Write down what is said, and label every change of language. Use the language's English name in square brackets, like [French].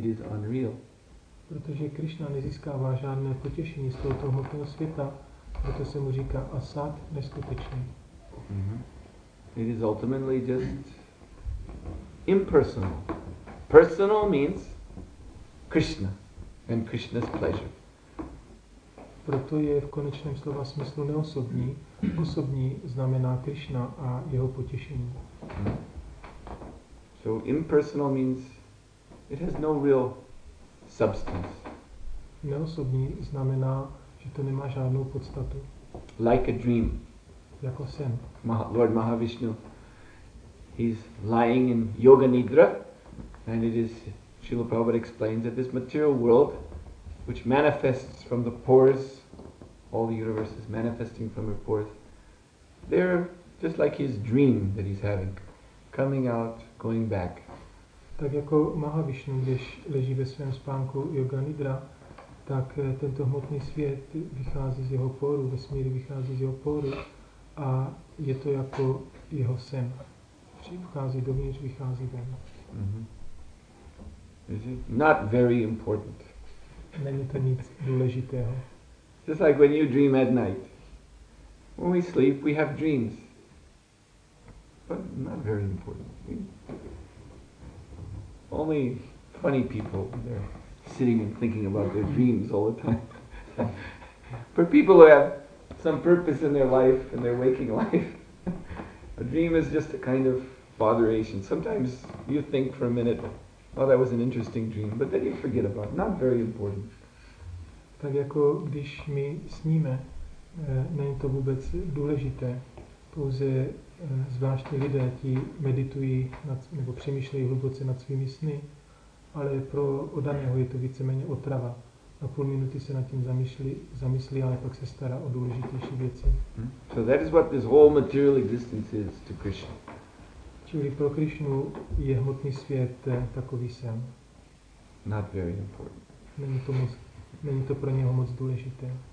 [English] It is unreal. [Czech] Protože Krishna nezískává žádné potěšení z tohoto světa, proto se mu říká asat, neskutečný. [English] It is ultimately just impersonal. Personal means Krishna and Krishna's pleasure. [Czech] Proto je v konečném slova smyslu neosobní. Osobní znamená Krishna a jeho potěšení. [English] So impersonal means it has no real substance. [Czech] Neosobní znamená, že to nemá žádnou podstatu. [English] Like a dream. [Czech] Jako sen. [English] Lord Mahavishnu, he's lying in yoga nidra, and it is, Srila Prabhupada explains, that this material world, which manifests from the pores, all the universe is manifesting from her pores. They're just like his dream that he's having, coming out, going back. [Czech] Tak jako Mahavishnu, když leží ve svém spánku yoga nidra, tak tento hmotný svět vychází z jeho poru, vesmír vychází z jeho poru, a je to jako jeho sen. Vchází dovnitř, vychází ven. [English] Is it not very important? [Czech] Není to nic důležitého. [English] Just like when you dream at night. When we sleep, we have dreams. But not very important. Only funny people, they're sitting and thinking about their dreams all the time. For people who have some purpose in their life, in their waking life, a dream is just a kind of botheration. Sometimes you think for a minute, oh, that was an interesting dream, but then you forget about it. Not very important. [Czech] Tak jako když my sníme, není to vůbec důležité. Pouze zvláštní lidé, ti meditují nad, nebo přemýšlejí hluboce nad svými sny, ale pro oddaného je to víceméně otrava. Na půl minuty se nad tím zamyslí, ale pak se stará o důležitější věci. [English] So that is what this whole material existence is to Krishna. [Czech] Čili pro Krishnu je hmotný svět takový sen. [English] Not very important. [Czech] Není to pro něho moc důležité.